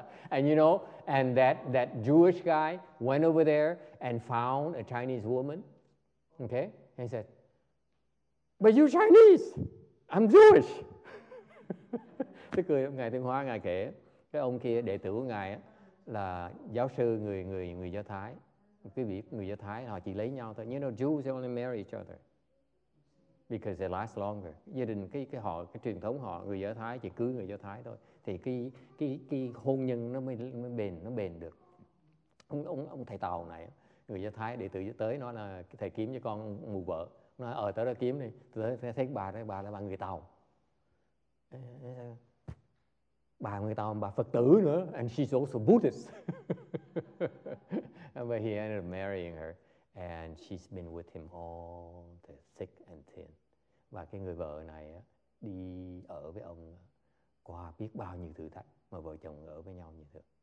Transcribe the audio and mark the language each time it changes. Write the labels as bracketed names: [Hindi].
[English] And you know, and that Jewish guy went over there and found a Chinese woman. Okay? And he said, "But you Chinese, I'm Jewish." [Vietnamese] Tức cười ngài Thiên Hóa ngài kể cái ông kia đệ tử của ngài á, là giáo sư người Do Thái. Quý vị người Do Thái họ chỉ lấy nhau thôi. [English] You know, Jews only marry each other because they last longer. [Vietnamese] Gia đình cái truyền thống họ người Do Thái chỉ cưới người Do Thái thôi. Thì cái hôn nhân nó mới bền được. Ông thầy tàu này người Do Thái đệ tử tới nói là thầy kiếm cho con mù vợ. Nói, tới đó kiếm đi, tới đó thấy bà đó, bà là bà người Tàu. Bà người Tàu, bà Phật tử nữa, [English] and she's also Buddhist. But he ended up marrying her, and she's been with him all the thick and thin. [Vietnamese] Và cái người vợ này đi ở với ông qua biết bao nhiêu thử thách mà vợ chồng ở với nhau như thế.